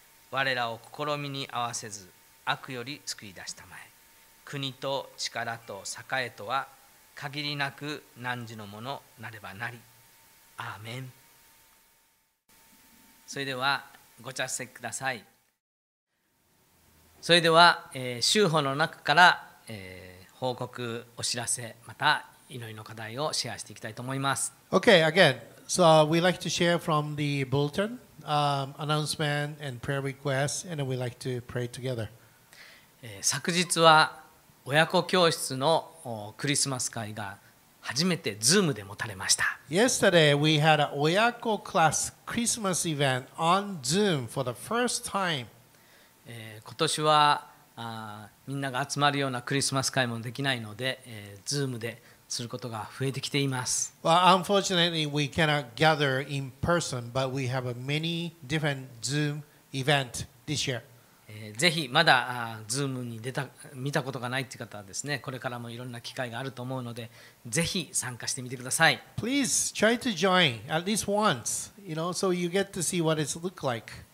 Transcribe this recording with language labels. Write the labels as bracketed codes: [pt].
[ja] 我らを試みに合わせず悪より救い出したまえ、国と力と栄とは限りなく何時のものなればなり、アーメン。それではご着席ください。それでは、週報の中から、報告、お知らせ、また祈りの課題をシェアしていきたいと思います。 [en] Okay, again, so we'd like to share from the bulletin、announcement and prayer request, and we'd like to pray together、 [ja] 昨日は親子教室のクリスマス会が初めてズームで持たれました。 [en] Yesterday, we had a [ja] 親子クラスクリスマス [en] event on Zoom for the first time、 [ja] 今年はみんなが集まるようなクリスマス会もできないので、Zoom ですることが増えてきています。 [en] Well, unfortunately, we cannot gather in person, but we have many different Zoom event this year. [ja] ぜひまだZoom に見たことがないという方はですね、これからもいろんな機会があると思うので、ぜひ参加してみてください。 [en] Please try to join at least once, you know, so you get to see what it looks like.